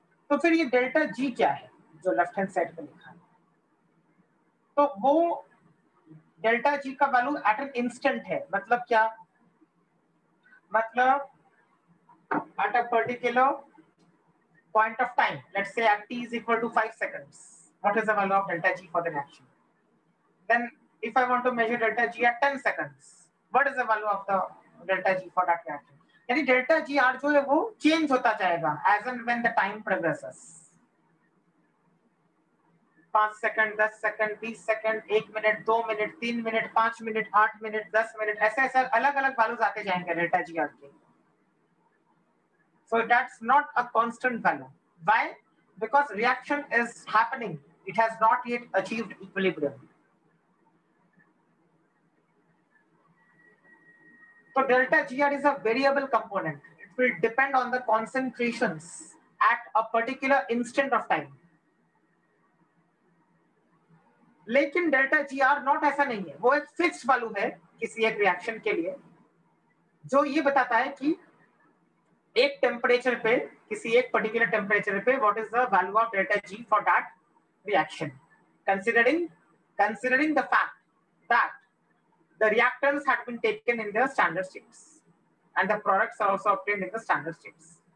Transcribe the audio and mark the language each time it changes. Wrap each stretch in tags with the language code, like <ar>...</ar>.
<hi>तो फिर ये डेल्टा जी क्या है जो लेफ्ट हैंड साइड पे लिखा है तो वो डेल्टा जी का वैल्यू एट एन इंस्टेंट है मतलब क्या मतलब</hi> <en>At a particular point of time let's say at T is equal to 5 seconds what is the value of delta G for the reaction then If I want to measure delta G at 10 seconds, what is the value of the delta G for that reaction?</en> <hi>यानी delta G R जो है वो change होता जाएगा</hi> <en>as and when the time progresses.</en> <hi>5 seconds, 10 seconds, 20 seconds, 1 minute, 2 minute, 3 minute, 5 minute, 8 minute, 10 minute, ऐसे ऐसे अलग अलग values आते जाएंगे delta G R के.</hi> <en>So that's not a constant value. Why? Because reaction is happening. It has not yet achieved equilibrium. So delta GR is a variable component. It will depend on the concentrations at a particular instant of time.</en> <hi>लेकिन delta G are not ऐसा नहीं है, वो एक fixed value है किसी एक reaction के लिए, जो ये बताता है कि एक टेम्परेचर पे,</hi> <en>किसी एक particular temperature पे what is the value of delta G for that reaction, considering the fact that the reactants had been taken in the standard states and the products are also obtained in the standard states.</en>